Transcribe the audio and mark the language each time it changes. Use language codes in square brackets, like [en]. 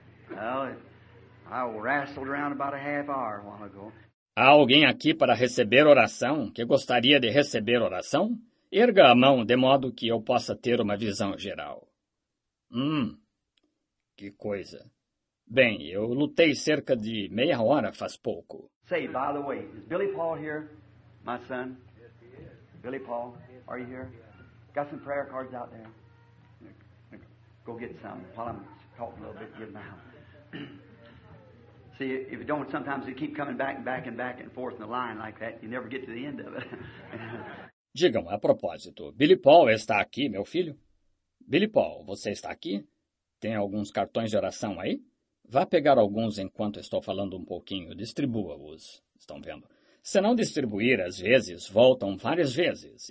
[en] Well, I wrestled around about a half hour a while ago. [pt] Há alguém aqui para receber oração que gostaria de receber oração? Erga a mão de modo que eu possa ter uma visão geral. Que coisa. Bem, eu lutei cerca de meia hora faz pouco. [en] Say, by the way, is Billy Paul here, my son? Yes, he is. Billy Paul, are you here? Got some prayer cards out there? Go get some while I'm talking a little bit, give them out. See, if you don't, sometimes you keep coming back and forth in the line like that, you never get to the end of it. [pt] Digam, a propósito, Billy Paul está aqui, meu filho? Billy Paul, você está aqui? Tem alguns cartões de oração aí? Vá pegar alguns enquanto estou falando um pouquinho. Distribua-os. Estão vendo? Se não distribuir, às vezes, voltam várias vezes.